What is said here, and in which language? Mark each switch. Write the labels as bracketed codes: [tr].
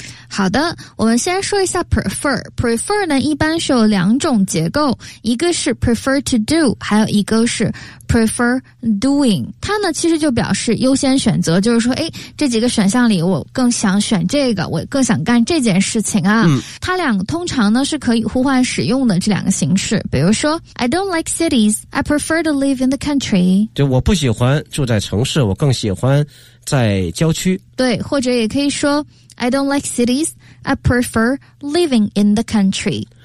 [zh] 好的，我们先说一下 prefer。prefer 呢一般是有两种结构，一个是 [en] prefer to do， [zh] 还有一个是 [en] prefer doing。 [zh] 它呢其实就表示优先选择，就是说诶，这几个选项里我更想选这个，我更想干这件事情啊。它俩通常呢是可以互换使用的，这两个形式。比如说 [en] I don't like cities, I prefer to live in the country。 [zh] 就我不喜欢住在城市，我更喜欢在郊区。对，或者也可以说 [en] I don't like cities, I prefer living in the country.